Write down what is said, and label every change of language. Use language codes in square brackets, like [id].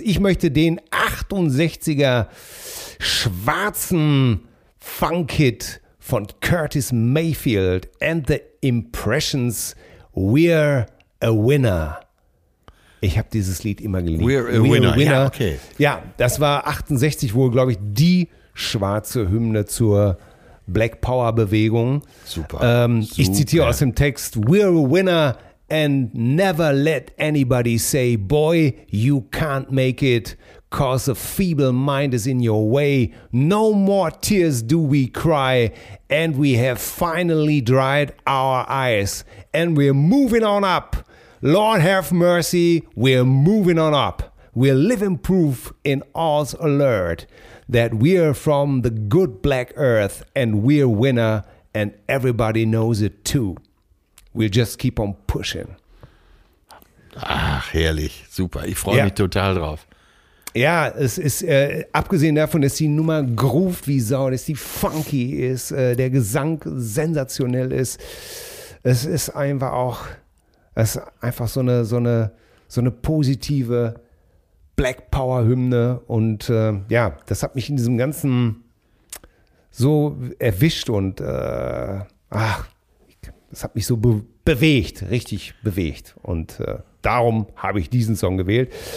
[de] Ich möchte den 68er schwarzen Funk-Hit von Curtis Mayfield and the Impressions, We're a Winner. Ich habe dieses Lied immer geliebt. We're a Winner. Ja, okay. Ja, das war 68 wohl, glaube ich, die schwarze Hymne zur Black Power Bewegung. Super. Ich zitiere aus dem Text: [en] We're a winner and never let anybody say, boy, you can't make it, cause a feeble mind is in your way. No more tears do we cry and we have finally dried our eyes and we're moving on up. Lord have mercy, we're moving on up. We're living proof in all's alert that we're from the good black earth and we're winner and everybody knows it too. We'll just keep on pushing. [de] Ach, herrlich, super. Ich freue mich total drauf. Ja, es ist, abgesehen davon, dass die Nummer groovt wie Sau, dass die funky ist, der Gesang sensationell ist. Es ist einfach auch, es ist einfach so eine positive Black Power Hymne und ja, das hat mich in diesem Ganzen so erwischt und das hat mich so bewegt, richtig bewegt und darum habe ich diesen Song gewählt.